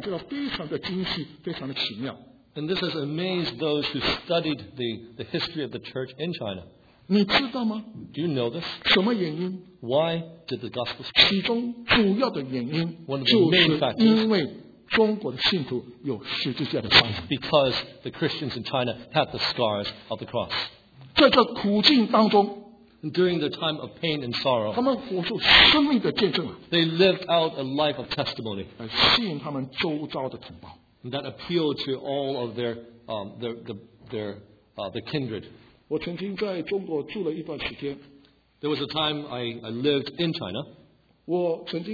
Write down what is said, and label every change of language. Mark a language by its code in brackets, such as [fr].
[zh] 这让我们听了之后，特别是这些研究中国教会历史的学者，让他们感觉到非常的惊喜，非常的奇妙。 [en] And this has amazed those who studied the history of the church in China. [zh] 你知道吗? [en] Do you know this? [zh] 什么原因? [en] Why did the gospel spread? [zh] 其中主要的原因, [en] one of the main factors, [zh] 因为中国的信徒有十字架的伤痕。 [en] Because the Christians in China had the scars of the cross. [zh] 在这苦境当中, [en] during the time of pain and sorrow, [zh] 他们活出生命的见证啊, [en] they lived out a life of testimony. [zh] 吸引他们周遭的同胞。 [en] And that appealed to all of their kindred. [zh] 我曾经在中国住了一段时间, [en] there was a time I lived in China.